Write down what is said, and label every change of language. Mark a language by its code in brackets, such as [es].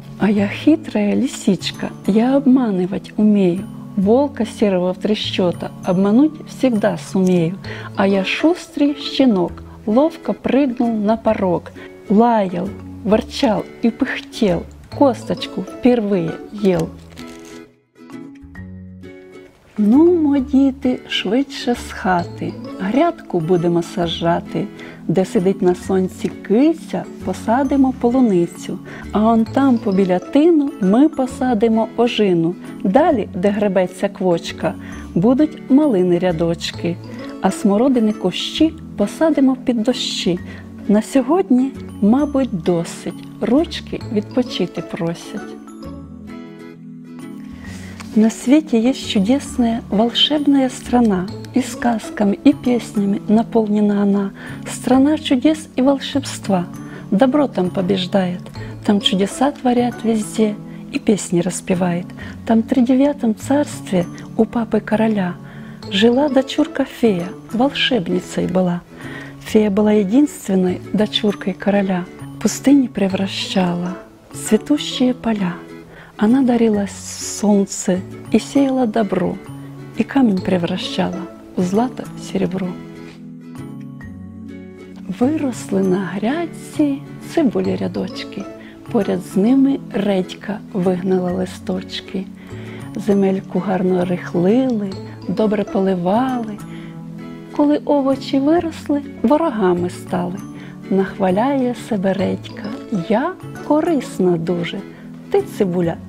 [ru] А я хитрая лисичка, я обманывать умею. Волка серого в трещота обмануть всегда сумею. А я шустрый щенок, ловко прыгнул на порог. Лаял, ворчал и пыхтел, косточку впервые ел. [uk] Ну, мо діти, швидше з хати, грядку будемо сажати, де сидить на сонці кися, посадимо полуницю, а он там побіля тину ми посадимо ожину, далі, де гребеться квочка, будуть малини рядочки, а смородини кущі посадимо під дощі. На сьогодні, мабуть, досить, ручки відпочити просять. [ru] На свете есть чудесная волшебная страна, и сказками, и песнями наполнена она. Страна чудес и волшебства, добро там побеждает. Там чудеса творят везде и песни распевает. Там в 39-м царстве у папы короля жила дочурка-фея, волшебницей была. Фея была единственной дочуркой короля, пустыни превращала в цветущие поля. Она дарила солнце и сеяла добро, и камень превращала в злато серебро. [uk] Выросли на грядці цибулі рядочки, поряд з ними редька вигнала листочки. Земельку гарно рихлили, добре поливали. Коли овочі виросли, ворогами стали. Нахваляє себе редька, я корисна дуже, ти цибуля.